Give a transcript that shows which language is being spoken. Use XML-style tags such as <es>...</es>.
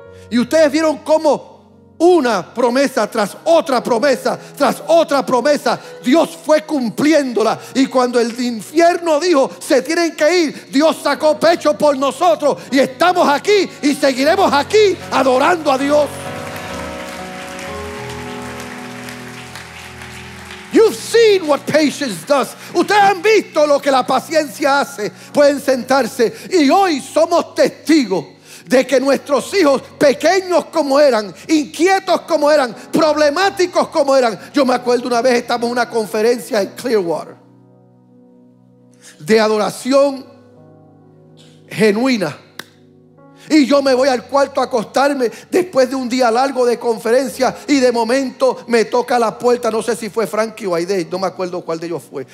<es>Y ustedes vieron cómo una promesa tras otra promesa, tras otra promesa, Dios fue cumpliéndola. Y cuando el infierno dijo: se tienen que ir, Dios sacó pecho por nosotros y estamos aquí y seguiremos aquí adorando a Dios.</es> <en>You've seen what patience does.</en> <es>Ustedes han visto lo que la paciencia hace. Pueden sentarse. Y hoy somos testigos de que nuestros hijos, pequeños como eran, inquietos como eran, problemáticos como eran. Yo me acuerdo una vez, estamos en una conferencia en Clearwater de adoración genuina, y yo me voy al cuarto a acostarme después de un día largo de conferencia, y de momento me toca la puerta, no sé si fue Frankie o Aide, no me acuerdo cuál de ellos fue.</es>